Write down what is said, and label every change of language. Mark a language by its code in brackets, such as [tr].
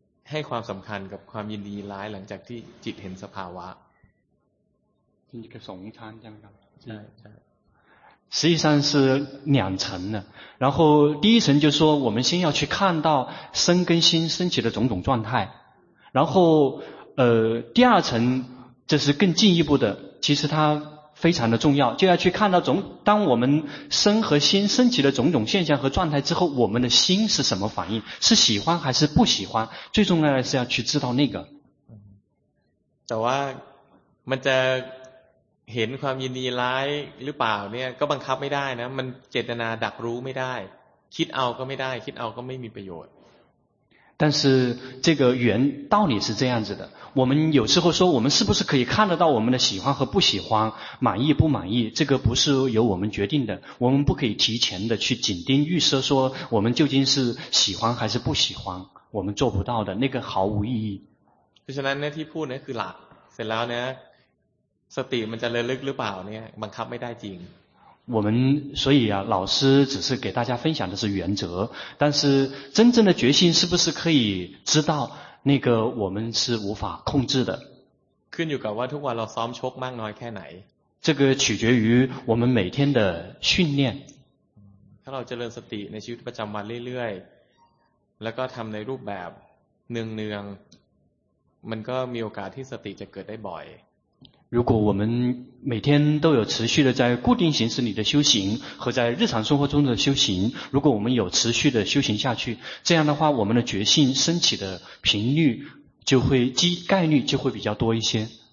[th] ให้ความสำคัญกับความยินดีร้ายหลังจากที่จิตเห็นสภาวะ จริงๆก็สองชั้นใช่ไหมครับ ใช่ [zh] 实际上是两层的然后第一层就是说我们先要去看到身跟心升起的种种状态然后第二层这是更进一步的其实它非常的重要就要去看到当我们身和心升起的种种现象和状态之后我们的心是什么反应是喜欢还是不喜欢最重要的是要去知道那个但是 [th] มันจะเห็นความยินดีร้ายหรือเปล่าเนี่ยก็บังคับไม่ได้นะมันเจตนาดักรู้ไม่ได้คิดเอาก็ไม่ได้คิดเอาก็ไม่มีประโยชน์ [zh] 但是这个原道理是这样子的我们有时候说我们是不是可以看得到我们的喜欢和不喜欢满意不满意这个不是由我们决定的我们不可以提前的去紧盯预设说我们究竟是喜欢还是不喜欢我们做不到的那个毫无意义所以那 [th] ที่พูดนั่นคือหลักเสร็จแล้วเนี่ยสติมันจะระลึกหรือเปล่าเนี่ยบังคับไม่ได้จริง [zh] 我们所以啊老师只是给大家分享的是原则但是真正的决心是不是可以知道那个我们是无法控制的 [th] ขึ้นอยู่กับว่าทุกวันเราซ้อมชกมากน้อยแค่ไหน [zh] 这个取决于我们每天的训练。 [th] ถ้าเราเจริญสติในชีวิตประจำวันเรื่อยๆแล้วก็ทำในรูปแบบเนืองๆมันก็มีโอกาสที่สติจะเกิดได้บ่อย [zh] 如果我们每天都有持续的在固定形式里的修行和在日常生活中的修行，如果我们有持续的修行下去，这样的话我们的觉性升起的频率就会概率就会比较多一些。